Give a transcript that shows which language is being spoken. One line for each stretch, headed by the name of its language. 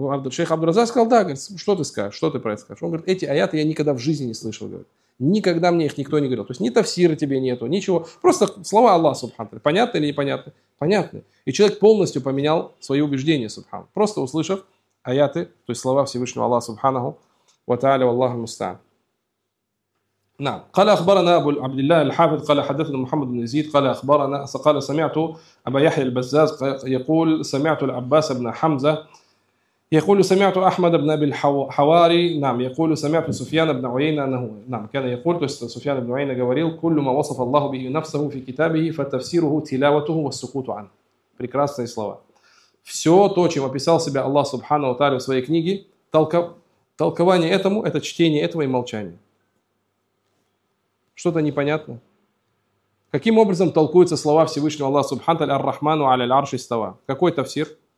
Russian: Шейх Абдразак сказал, да, говорит, что ты скажешь, что ты про это скажешь? Он говорит, эти аяты я никогда в жизни не слышал, говорит. Никогда мне их никто не говорил. То есть ни тафсира тебе нету, ничего. Просто слова Аллаха, субханаху. Понятны или непонятны? Понятны. И человек полностью поменял свои убеждения, субханаху. Просто услышав аяты, то есть слова Всевышнего Аллаха, субханаху.
Arabic: Ва тааля ва Аллаху мустаан. نعم قال أخبرنا أبو عبد الله الحافظ قال حدثنا محمد بن زيد قال أخبرنا قال سمعت أبا يحيى البزاز يقول سمعت العباس بن حمزة يقول سمعت أحمد بن أبي الحواري نعم يقول سمعت سفيان بن عيينة أنه نعم كان يقول سفيان بن عيينة
Russian: говорил
Arabic: كل ما وصف الله به نفسه في كتابه فتفسيره تلاوته والسكوت عنه.
Russian: Прекрасные слова. Все то, чем описал себя Аллах субханаху ва тааля в своей книге, толкование этому — это чтение этого и молчание. Что-то непонятно. Каким образом толкуются слова Всевышнего Аллаха субхану ва тааля
Arabic: ар-рахману аль-арши става?
Russian: Какой тафсир?